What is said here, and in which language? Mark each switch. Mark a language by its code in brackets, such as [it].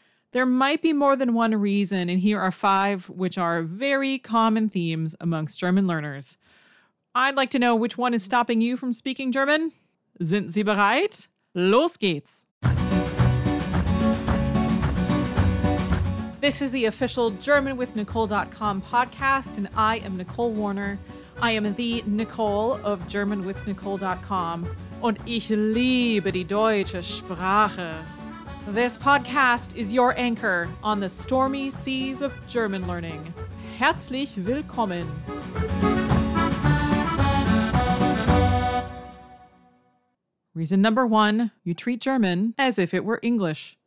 [en] There might be more than one reason, and here are five which are very common themes amongst German learners. I'd like to know which one is stopping you from speaking German. [de] Sind Sie bereit? Los geht's! [en] This is the official GermanWithNicole.com podcast, and I am Nicole Warner. I am the Nicole of GermanWithNicole.com, [de] und ich liebe die deutsche Sprache. [en] This podcast is your anchor on the stormy seas of German learning. [de] Herzlich willkommen. [en] Reason number one, you treat German as if it were English.